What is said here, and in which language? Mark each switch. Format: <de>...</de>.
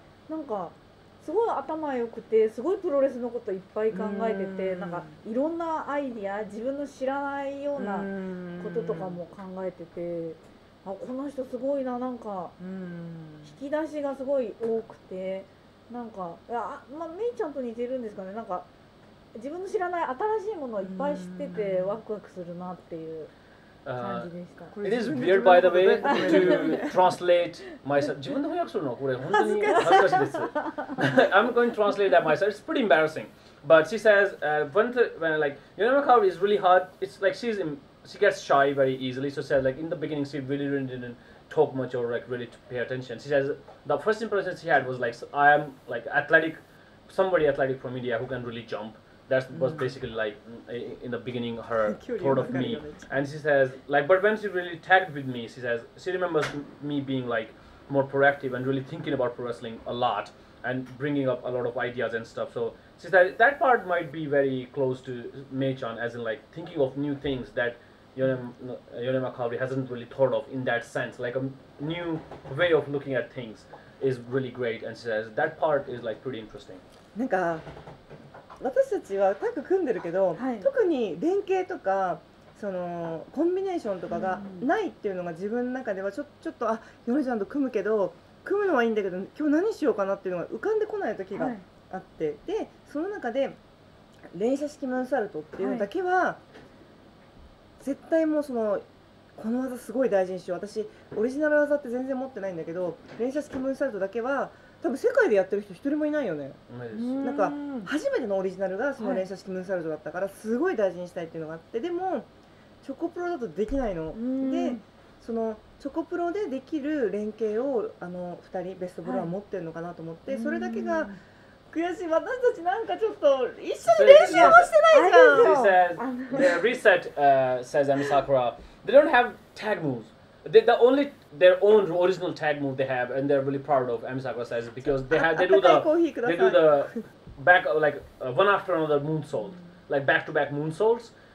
<ja>なんかすごい頭良くて、すごいプロレスのこといっぱい考えてて、なんかいろんなアイディア、自分の知らないようなこととかも考えてて、あ、この人すごいな、なんか引き出しがすごい多くて、なんか、いや、まあ、メイちゃんと似てるんですかね、なんか自分の知らない新しいものをいっぱい知っててワクワクするなっていう感じでした。</ja> <en>It is weird, by the way, to translate myself.</en> <ja>自分で翻訳するの？これ本当に恥ずかしいです。</ja> <en>I'm going to translate that myself. It's pretty embarrassing. But she says, when like, you know, Kaori is really hard. It's like she's in,She gets shy very easily, so said like in the beginning she really didn't talk much or like really pay attention. She says the first impression she had was like, I am like athletic, somebody athletic from India who can really jump. That was basically like in the beginning her thought of me. And she says like, but when she really tagged with me, she says she remembers me being like more proactive and really thinking about pro wrestling a lot and bringing up a lot of ideas and stuff. So she said that part might be very close to Mei-chan, as in like thinking of new things thatYonema Kavri hasn't really thought of in that sense. Like a new way of looking at things is really great, and she says that part is like pretty interesting.</en> <ja>なんか私たちはタッグ組んでるけど、はい、特に連携とかそのコンビネーションとかがないっていうのが自分の中ではちょっとあ、ヨネちゃんと組むけど、組むのはいいんだけど今日何しようかなっていうのが浮かんでこない時があって、はい、でその中で連射式ムーンサルトっていうのだけは、はい、絶対もうそのこの技すごい大事にしよう、私オリジナル技って全然持ってないんだけど、連射式ムーンサルトだけは多分世界でやってる人一人もいないよね。なんか初めてのオリジナルがその連射式ムーンサルトだったから、すごい大事にしたいっていうのがあって、でもチョコプロだとできないので、そのチョコプロでできる連携をあの2人ベストブロワー持ってるのかなと思って、それだけが悔しい。私たちなんかちょっと一緒に練習もしてないじゃん。</ja> <en>She says, they are reset, says Ami Sakura. They don't have tag moves. They, the only, their own original tag move they have, and they're really proud of, Ami Sakura says, because they, have, they do the back, like, one after another moonsault, like back-to-back moonsaults.</en>